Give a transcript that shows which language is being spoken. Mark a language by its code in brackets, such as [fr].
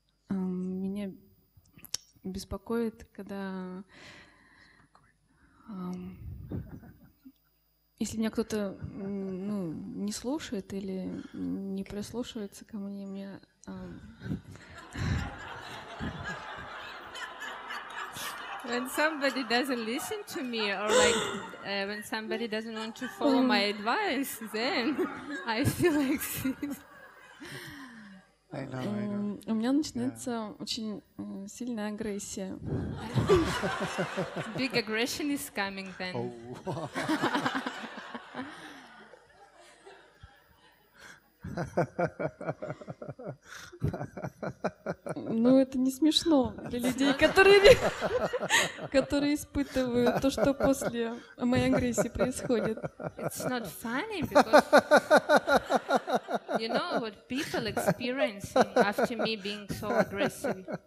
[ru] Меня беспокоит, когда если меня кто-то не слушает или не прислушивается ко мне, мне [en] when somebody doesn't listen to me or like when somebody doesn't want to follow my advice, then I feel like this. [ru] У меня начинается очень сильная агрессия. [en] Big aggression is coming then. [ru] Ну, это не смешно для людей, которые испытывают то, что после моей агрессии происходит. [en] It's not funny, because you know what people experience after me being so aggressive.